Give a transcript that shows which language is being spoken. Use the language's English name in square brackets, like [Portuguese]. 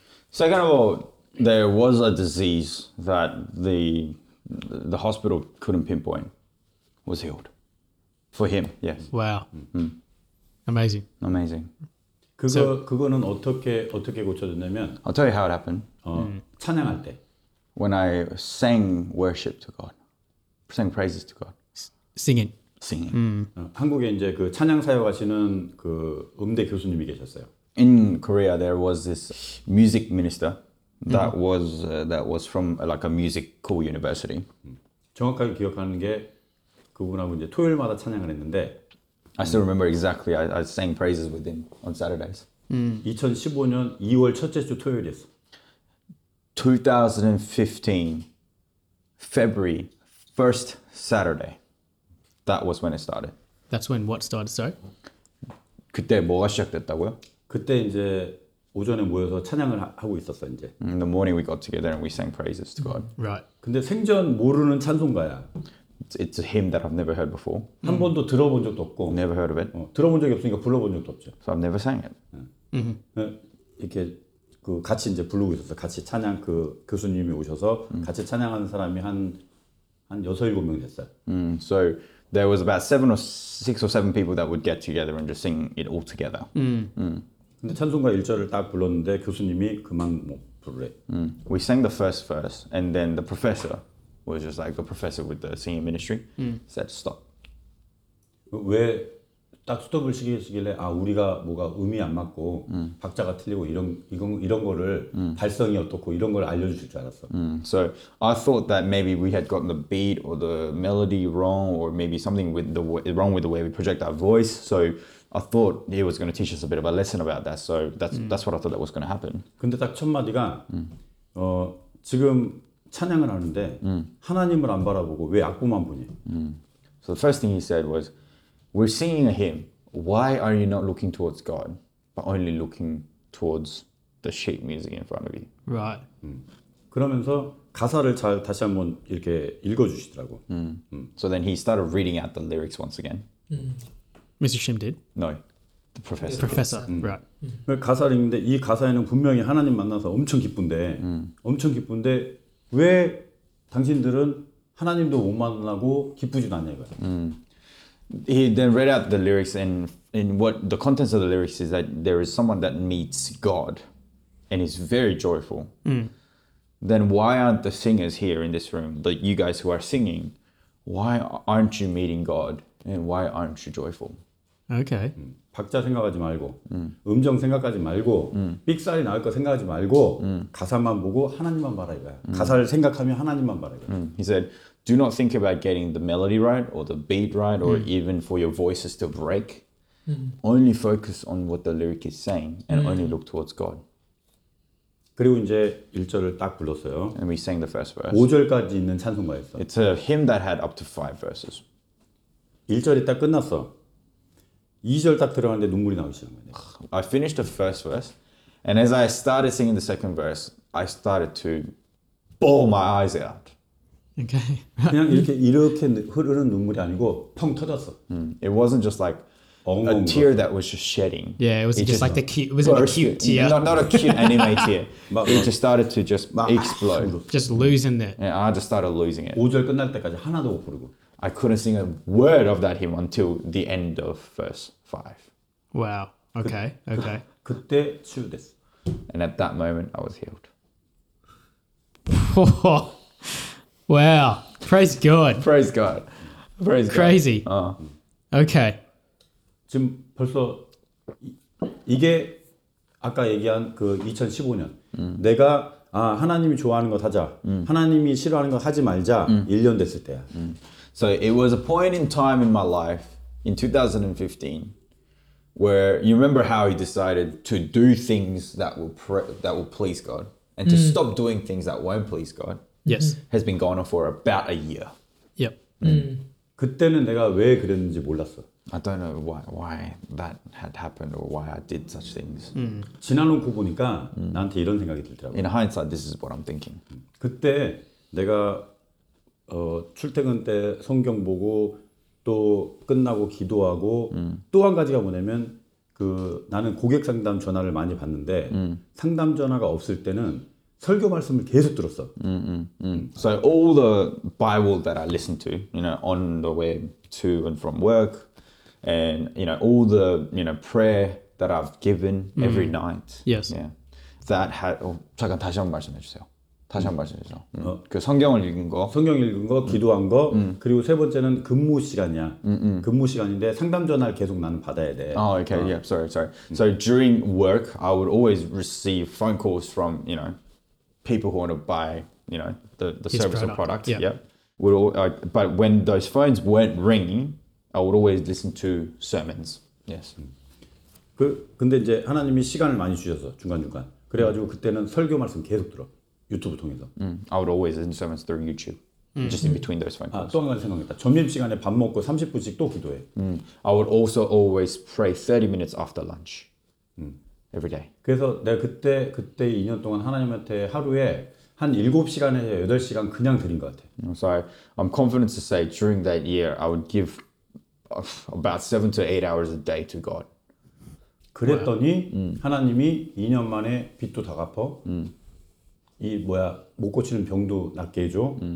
[English] Second of all, there was a disease that the hospital couldn't pinpoint was healed for him. Yes. Wow. Amazing. [Korean] 그거는 어떻게 고쳐졌냐면. [English] I'll tell you how it happened. [Korean] 찬양할 때. [English] When I sang worship to God, sang praises to God. Singing. Singing. [Korean] 한국에 이제 그 찬양 사역하시는 그 음대 교수님이 계셨어요. [English] In Korea, there was this music minister that was from like a musical university. [Korean] 정확하게 기억하는 게 그분하고 이제 토요일마다 찬양을 했는데. [English] I still remember exactly. I sang praises with him on Saturdays. [Korean] 2015년 2월 첫째 주 토요일이었어. [English] 2015 February first Saturday. That was when it started. That's when what started, sorry? [Korean] 그때 뭐가 시작됐다고요? 그때 이제 오전에 모여서 찬양을 하고 있었어, 이제. [English] In the morning we got together and we sang praises to God. Right. [Korean] 근데 생전 모르는 찬송가야. [English] It's a hymn that I've never heard before. [Korean] 한 번도 들어본 적도 없고. [English] Never heard of it. [Korean] 들어본 적이 없으니까 불러본 적도 없죠. [English] So I've never sang it. [Korean] 이렇게 그 같이 이제 부르고 있었어. 같이 찬양 그 교수님이 오셔서 같이 찬양하는 사람이 한 여섯, 일곱 명 됐어요. [English] So there was about six or seven people that would get together and just sing it all together. [Korean] 근데 찬송가 1절을 딱 불렀는데 교수님이 그만 뭐 부르래. [English] We sang the first verse and then the professor was just like the professor with the singing ministry said stop. [Korean] 왜 딱 스톱을 시키시길래 아 우리가 뭐가 음이 안 맞고 박자가 틀리고 이런 거를 발성이 어떻고 이런 걸 알려주실 줄 알았어. [English] So I thought that maybe we had gotten the beat or the melody wrong or maybe something wrong with the way we project our voice. So I thought he was going to teach us a bit of a lesson about that. So that's what I thought that was going to happen. [Korean] 근데 딱 첫 마디가 지금 찬양을 하는데 하나님을 안 바라보고 왜 악보만 보니? [English] So the first thing he said was, we're singing a hymn. Why are you not looking towards God, but only looking towards the sheet music in front of you? Right. [Korean] 그러면서 가사를 잘 다시 한번 이렇게 읽어주시더라고. [English] So then he started reading out the lyrics once again. Mr. Shim did? No, the professor. Professor, right. [Korean] 가사를 읽는데 이 가사에는 분명히 하나님 만나서 엄청 기쁜데 엄청 기쁜데 왜 당신들은 하나님도 못 만나고 기쁘지도 않냐 이거야. [English] He then read out the lyrics and in what the contents of the lyrics is that there is someone that meets God and is very joyful. Then why aren't the singers here in this room, like you guys who are singing, why aren't you meeting God and why aren't you joyful? Okay. [Korean] 박자 생각하지 말고 음정 생각하지 말고 삑사리 나올 거 생각하지 말고 가사만 보고 하나님만 바라 이거야. 가사를 생각하면 하나님만 바라 이거야. [English] He said, do not think about getting the melody right or the beat right or even for your voices to break. Only focus on what the lyric is saying and only look towards God. [Korean] 그리고 이제 1절을 딱 불렀어요. [English] And we sang the first verse. [Korean] 5절까지 있는 찬송가였어. [English] It's a hymn that had up to 5 verses. [Korean] 1절이 딱 끝났어. 2절 딱 들어가는데 눈물이 나오기 시작한 거네. [English] I finished the first verse and as I started singing the second verse, I started to bawl my eyes out. Okay. [Korean] 그냥 이렇게 흐르는 눈물이 아니고 펑 터졌어. [English] It wasn't just like a tear that was just shedding. Yeah, it was just like the cute. It was a cute tear. Not a cute anime tear. But it just started to just explode. Just losing it. Yeah, I just started losing it. [Korean] 5절 끝날 때까지 하나도 못 부르고. [English] I couldn't sing a word of that hymn until the end of verse 5. Wow. Okay. Okay. [Korean] 그때 치유됐어. [English] And at that moment, I was healed. Wow. Praise God. Praise God. Praise Crazy. God. Crazy. Okay. [Korean] 지금 벌써 이게 아까 얘기한 그 2015년 내가 아 하나님이 좋아하는 거 하자 하나님이 싫어하는 거 하지 말자 1년 됐을 때야. [English] So it was a point in time in my life in 2015 where you remember how you decided to do things that will please God and to stop doing things that won't please God. Yes. Has been gone on for about a year. Yep. [Korean] 그때는 내가 왜 그랬는지 몰랐어. [English] I don't know why that had happened or why I did such things. [Korean] 지난 놓고 보니까 나한테 이런 생각이 들더라고. [English] In hindsight, this is what I'm thinking. [Korean] 그때 내가 출퇴근 때 성경 보고 또 끝나고 기도하고 또 한 가지가 뭐냐면 그 나는 고객 상담 전화를 많이 받는데 상담 전화가 없을 때는 설교 말씀을 계속 들었어. [English] So all the Bible that I listened to, you know, on the way to and from work. And you know all the you know prayer that I've given every night. Yes. Yeah. That had. [Korean] Oh, 잠깐 다시 한번 말씀해 주세요. 다시 한번 말씀해 주세요. 그 성경을 읽은 거. 성경 읽은 거, 기도한 거. 그리고 세 번째는 근무 시간이야. 근무 시간인데 상담 전화를 계속 나는 받아야 돼. [English] Oh, okay. Yeah. Sorry. So during work, I would always receive phone calls from you know people who want to buy you know the service product. Or product. Yeah. Yep. Would all. But when those phones weren't ringing. I would always listen to sermons. Yes. [Korean] 근데 이제 하나님이 시간을 많이 주셔서 중간중간. 그래가지고 그때는 설교 말씀 계속 들어. 유튜브 통해서. [English] I would always listen to sermons through YouTube. Just in between those phone calls. [Korean] 아, 또 한 가지 생각했다. 점심 시간에 밥 먹고 30분씩 또 기도해. [English] I would also always pray 30 minutes after lunch. Every day. [Korean] 그래서 내가 그때 2년 동안 하나님한테 하루에 한 7시간에서 8시간 그냥 드린 것 같아. [English] So I'm confident to say during that year I would give about 7 to 8 hours a day to God. [Korean] 그랬더니 하나님이 2년 만에 빚도 다 갚어. 이 뭐야 못 고치는 병도 낫게 해줘.